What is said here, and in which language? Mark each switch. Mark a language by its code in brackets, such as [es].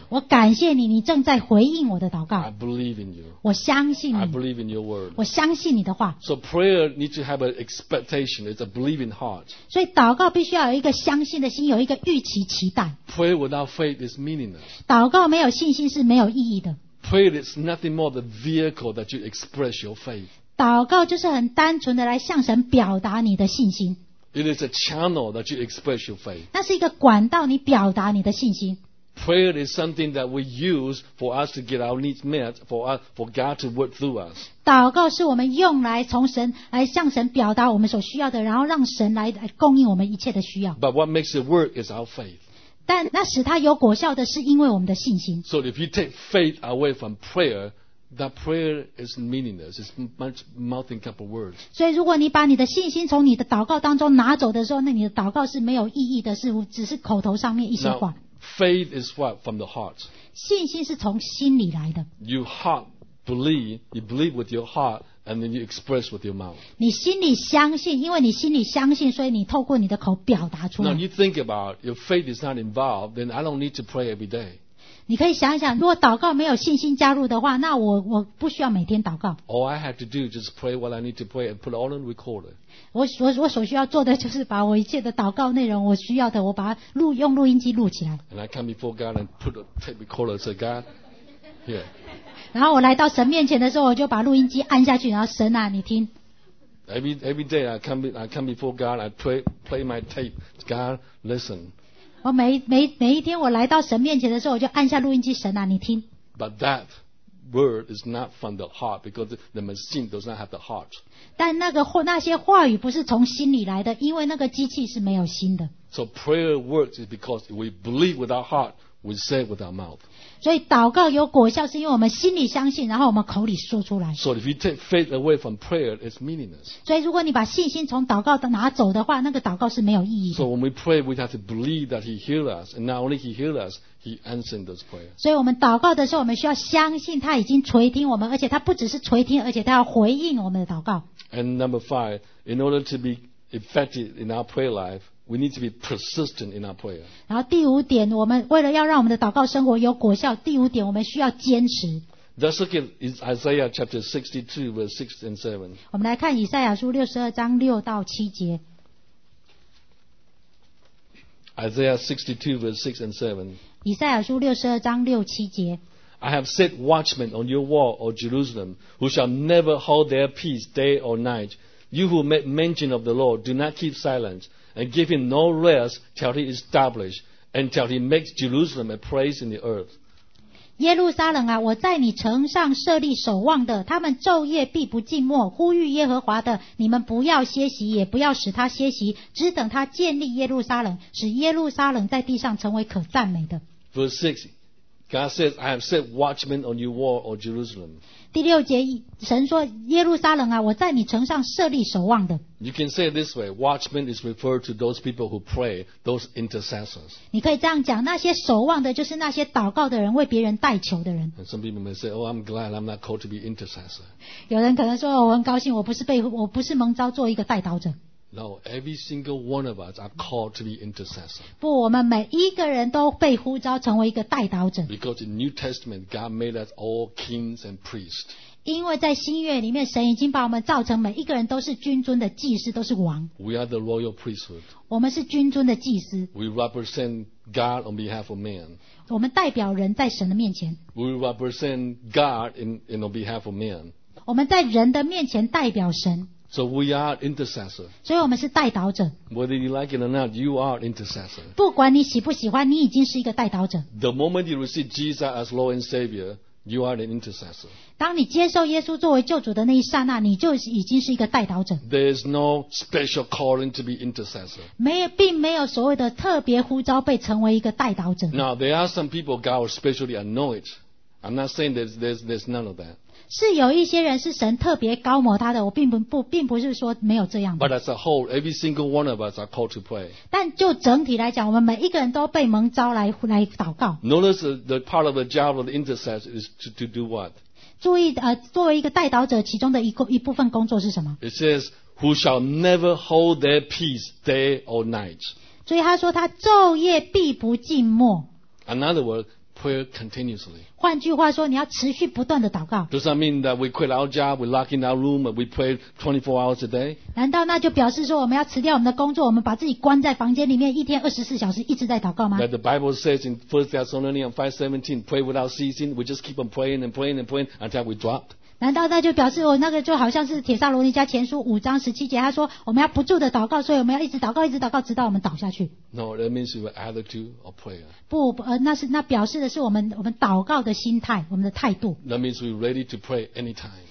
[zh] 我感谢你，你正在回应我的祷告。 [en] I believe in you. [zh] 我相信你。 [en] I believe in your word. [zh] 我相信你的话。 [en] So prayer needs to have an expectation. It's a believing heart. [zh] 所以祷告必须要有一个相信的心，有一个预期期待。 [en] Prayer without faith is meaningless. [zh] 祷告没有信心是没有意义的。 [en] Prayer is nothing more than the vehicle that you express your faith. [zh] 祷告就是很单纯的来向神表达你的信心。 [en] It is a channel that you express your faith. [zh] 那是一个管道，你表达你的信心。 [en] Prayer is something that we use for us to get our needs met, for God to work through us. [zh] 祷告是我们用来从神来向神表达我们所需要的，然后让神来供应我们一切的需要。 [en] But what makes it work is our faith. [zh] 但那使它有果效的是因为我们的信心。 [en] So if you take faith away from prayer, that prayer is meaningless. It's much mouth and couple words. [zh] 所以如果你把你的信心从你的祷告当中拿走的时候，那你的祷告是没有意义的，是只是口头上面一些话。 [en] Now, faith is what from the heart. [zh] 信心是从心里来的。 [en] Your heart believe, you believe with your heart. And then you express with your mouth. [zh] 你心里相信，因为你心里相信，所以你透过你的口表达出来。 [en] Now you think about your faith is not involved, then I don't need to pray every day. [zh] 你可以想一想，如果祷告没有信心加入的话，那我不需要每天祷告。 [en] All I have to do is just pray what I need to pray and put it all on recorder. [zh] 我所需要做的就是把我一切的祷告内容，我需要的，我把它用录音机录起来。 [en] And I come before God and put a tape recorder and say, God, here. [zh] 然后我来到神面前的时候，我就把录音机按下去，然后神啊，你听。 [en] Every day I come before God, I play my tape. God, listen. [zh] 我每一天我来到神面前的时候，我就按下录音机，神啊，你听。 [en] But that word is not from the heart because the machine does not have the heart. [zh] 但那些话语不是从心里来的，因为那个机器是没有心的。 [en] So prayer works is because we believe with our heart, we say with our mouth. [zh] 所以祷告有果效，是因为我们心里相信，然后我们口里说出来。 [en] So if you take faith away from prayer, it's meaningless. [zh] 所以如果你把信心从祷告拿走的话，那个祷告是没有意义的。 [en] So when we pray, we have to believe that He healed us, and not only He healed us, He answered those prayers. [zh] 所以我们祷告的时候，我们需要相信他已经垂听我们，而且他不只是垂听，而且他要回应我们的祷告。 [en] And number five, in order to be effective in our prayer life. We need to be persistent in our prayer. [zh] 然后第五点，我们为了要让我们的祷告生活有果效，第五点我们需要坚持。 [en] Let's look at Isaiah chapter 62, verse 6 and 7. [zh] 我们来看以赛亚书62章6到7节。 [en] Isaiah 62, verse 6 and 7. [zh] 以赛亚书62章6、7节。 [en] I have set watchmen on your wall, O Jerusalem, who shall never hold their peace day or night. You who make mention of the Lord, do not keep silence. And give him no rest till he is established, and till he makes Jerusalem a praise in the earth. [zh] 耶路撒冷啊，我在你城上设立守望的，他们昼夜必不静默，呼吁耶和华的，你们不要歇息，也不要使他歇息，只等他建立耶路撒冷，使耶路撒冷在地上成为可赞美的。 [en] Verse 6, God says, I have set watchmen on your wall, O Jerusalem. [zh] 第六节，神说：“耶路撒冷啊，我在你城上设立守望的。” [en] You can say it this way: Watchmen is referred to those people who pray, those intercessors. [zh] 你可以这样讲：那些守望的，就是那些祷告的人，为别人代求的人。 [en] And some people may say, "Oh, I'm glad I'm not called to be intercessor." [zh] 有人可能说：“我很高兴，我不是蒙召做一个代祷者。” [en] No, every single one of us are called to be intercessor. [zh] 不，我们每一个人都被呼召成为一个代祷者。 [en] Because in New Testament, God made us all kings and priests. [zh] 因为在新约里面，神已经把我们造成每一个人都是君尊的祭司，都是王。 [en] We are the royal priesthood. [zh] 我们是君尊的祭司。 [en] We represent God on behalf of man. [zh] 我们代表人在神的面前。 [en] We represent God in on behalf of man. [zh] 我们在人的面前代表神。 [en] So we are intercessor. [zh] 所以我们是代祷者。 [en] Whether you like it or not, you are intercessor. [zh] 不管你喜不喜欢，你已经是一个代祷者。 [en] The moment you receive Jesus as Lord and Savior, you are an intercessor. [zh] 当你接受耶稣作为救主的那一刹那，你就已经是一个代祷者。 [en] There is no special calling to be intercessor. [zh] 没有，并没有所谓的特别呼召被成为一个代祷者。 [en] Now there are some people God specially anoint. I'm not saying there's none of that. [zh] 是有一些人是神特别高抹他的，我并不是说没有这样的。 [en] But as a whole, every single one of us are called to pray. [zh] 但就整体来讲，我们每一个人都被蒙召来祷告。 [en] Notice the part of the job of the intercessor is to do what? [zh] 注意，作为一个代祷者，其中的一部分工作是什么 [en] ？It says, "Who shall never hold their peace day or night." [zh] 所以他说他昼夜必不静默。 [en] In other words. Prayer continuously. [zh] 换句话说，你要持续不断的祷告。 [en] Does that mean that we quit our job, we lock in our room, and we pray 24 hours a day? [zh] 难道那就表示说我们要辞掉我们的工作，我们把自己关在房间里面，一天24小时一直在祷告吗 [en] ？That the Bible says in 1 Thessalonians 5:17, pray without ceasing. We just keep on praying and praying and praying until we drop. [zh] 难道那就表示我那个就好像是《帖撒罗尼迦前书》5:17，他说我们要不住的祷告，所以我们要一直祷告，一直祷告，直到我们倒下去。 [en] No, that means your attitude or prayer. [zh] 不，那表示的是我们祷告的心态，我们的态度。 [en] That means we're ready to pray anytime.